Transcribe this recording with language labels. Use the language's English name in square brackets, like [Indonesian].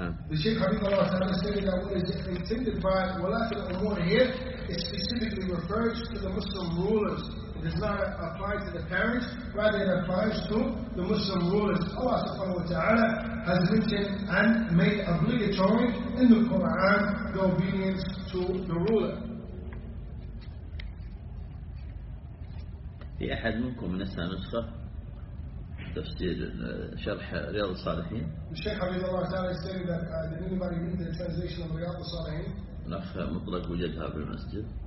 [English] الشيخ حبيب الله تعالى said that what is intended by ولاه الأمور here is specifically refers to the Muslim rulers. It does not apply to the parents, rather it applies to the Muslim rulers. Allah subhanahu wa ta'ala has written and made obligatory in the Quran the obedience to the ruler. [Arabic] في أحد منكم نسى نسخة تفسير شرح رياض الصالحين؟ [English] الشيخ حبيب الله تعالى said that did anybody read the translation of رياض الصالحين؟ [Arabic] الأخ مطلق وجدها في المسجد.